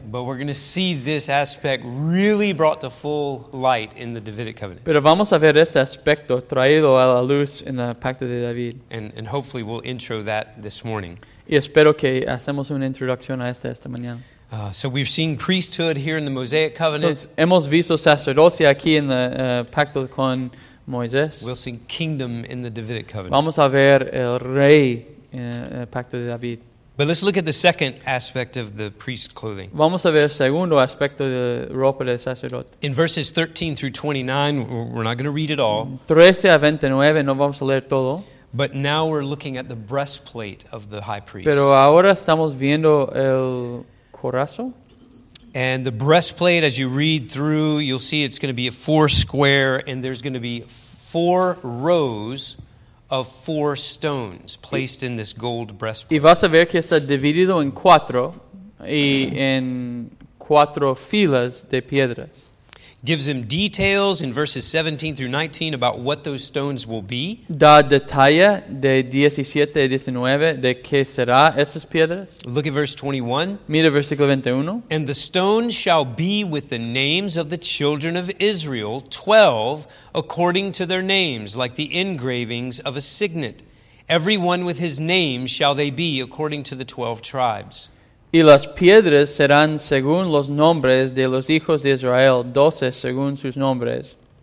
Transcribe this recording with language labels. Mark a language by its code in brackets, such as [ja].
[en] But we're going to see this aspect really brought to full light in the Davidic covenant. [es] Pero vamos a ver ese aspecto traído a la luz en el pacto de David. [en] And hopefully we'll intro that this morning. [es] Y espero que hacemos una introducción a esta mañana. [en] So we've seen priesthood here in the Mosaic Covenant. [es] Entonces, hemos visto sacerdocia aquí en el pacto con Moisés. [en] We'll see kingdom in the Davidic Covenant. [es] Vamos a ver el rey en el pacto de David. [en] But let's look at the second aspect of the priest's clothing. [es] Vamos a ver el segundo aspecto de ropa del sacerdote. [en] In verses 13 through 29, we're not going to read it all. [es] 13 a 29, no vamos a leer todo. [en] But now we're looking at the breastplate of the high priest. [es] Pero ahora estamos viendo el... [en] And the breastplate, as you read through, you'll see it's going to be a four square, and there's going to be four rows of four stones placed in this gold breastplate. [es] Y vas a ver que está dividido en cuatro, y en cuatro filas de piedra. [en] Gives him details in verses 17 through 19 about what those stones will be. [es] Da detalle de 17 y 19 de qué será esas piedras. [en] Look at verse 21. [es] Mira versículo 21. [en] And the stones shall be with the names of the children of Israel, 12, according to their names, like the engravings of a signet. Every one with his name shall they be according to the 12 tribes. [es] Y las piedras serán según los nombres de los hijos de Israel, 12 según sus nombres.